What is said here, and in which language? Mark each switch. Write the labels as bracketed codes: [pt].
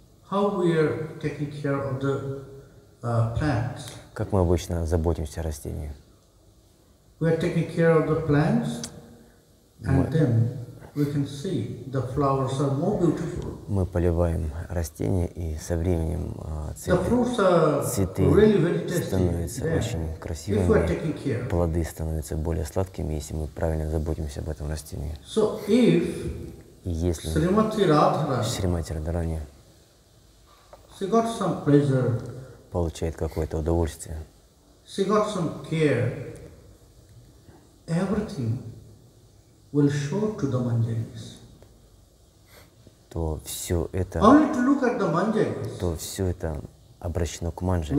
[en] How we are taking care of the plants? [ru] как мы обычно заботимся о растении? [en] We are taking care of the plants, and then we can see the flowers are more beautiful. [ru] Мы поливаем растения, и со временем цветы становятся очень красивыми, плоды становятся более сладкими, если мы правильно заботимся об этом растении. [en] So if [ru] если Шримати Радхарани [en] she got some pleasure, [ru] получает какое-то удовольствие, [en] she got some care, everything will show to the manjaris. [ru] То все это обращено к манджари.